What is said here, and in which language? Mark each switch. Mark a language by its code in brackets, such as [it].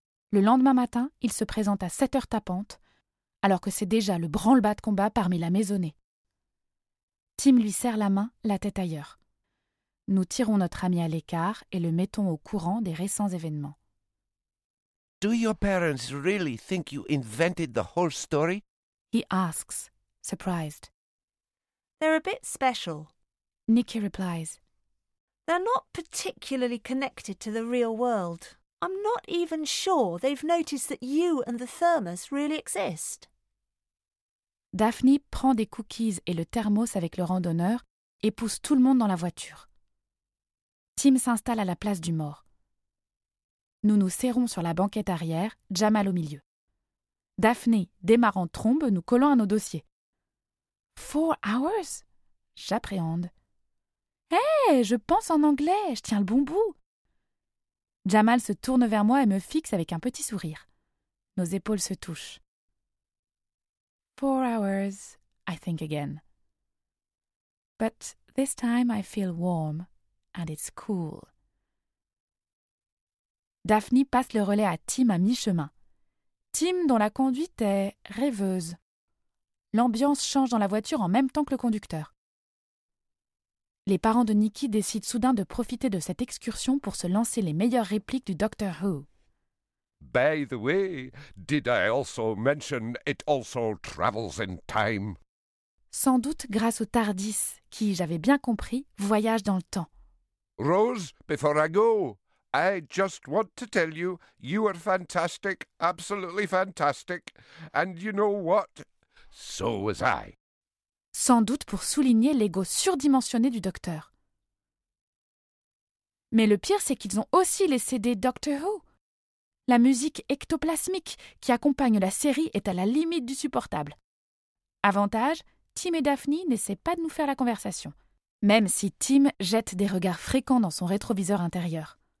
[fr] Le lendemain matin, il se présente à 7h tapante, alors que c'est déjà le branle-bas de combat parmi la maisonnée. Tim lui serre la main, la tête ailleurs. Nous tirons notre ami à l'écart et le mettons au courant des récents événements. [en] Do your parents really think you invented the whole story? He asks. Surprised. They're a bit special, Nikki replies. They're not particularly connected to the real world. I'm not even sure they've noticed that you and the thermos really exist. [fr] Daphne prend des cookies et le thermos avec le randonneur et pousse tout le monde dans la voiture. Tim s'installe à la place du mort. Nous nous serrons sur la banquette arrière, Jamal au milieu. Daphne démarre en trombe, nous collant à nos dossiers. [en] 4 hours? [fr] J'appréhende. Hé, hey, je pense en anglais, je tiens le bon bout. Jamal se tourne vers moi et me fixe avec un petit sourire. Nos épaules se touchent. [en] 4 hours, I think again. But this time I feel warm and it's cool. [fr] Daphne passe le relais à Tim à mi-chemin. Tim, dont la conduite est rêveuse. L'ambiance change dans la voiture en même temps que le conducteur. Les parents de Nikki décident soudain de profiter de cette excursion pour se lancer les meilleures répliques du Doctor Who. [en] By the way, did I also mention it also travels in time? [fr] Sans doute grâce au TARDIS, qui, j'avais bien compris, voyage dans le temps. [en] Rose, before I go, I just want to tell you, you are fantastic, absolutely fantastic, and you know what? So was I. [fr] Sans doute pour souligner l'ego surdimensionné du docteur. Mais le pire, c'est qu'ils ont aussi les CD Doctor Who. La musique ectoplasmique qui accompagne la série est à la limite du supportable. Avantage, Tim et Daphne n'essaient pas de nous faire la conversation, même si Tim jette des regards fréquents dans son rétroviseur intérieur.